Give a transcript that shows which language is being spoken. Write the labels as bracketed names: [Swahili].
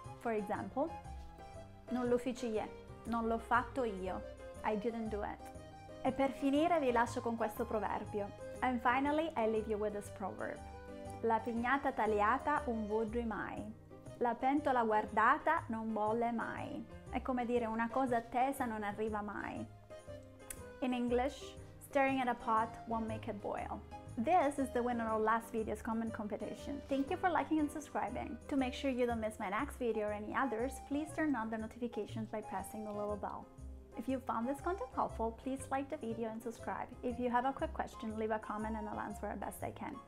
[English] For example, [Italian] non lo feci io, non l'ho fatto io, [English] I didn't do it. [Italian] E per finire vi lascio con questo proverbio. [English] And finally, I leave you with this proverb. [Sicilian] La pignata tagliata un vuodri mai, [Italian] la pentola guardata non bolle mai. È come dire una cosa attesa non arriva mai. [English] In English, stirring in a pot won't make it boil. This is the winner of last video's comment competition. Thank you for liking and subscribing. To make sure you don't miss my next video or any others, please turn on the notifications by pressing the little bell. If you found this content helpful, please like the video and subscribe. If you have a quick question, leave a comment and I'll answer as best I can.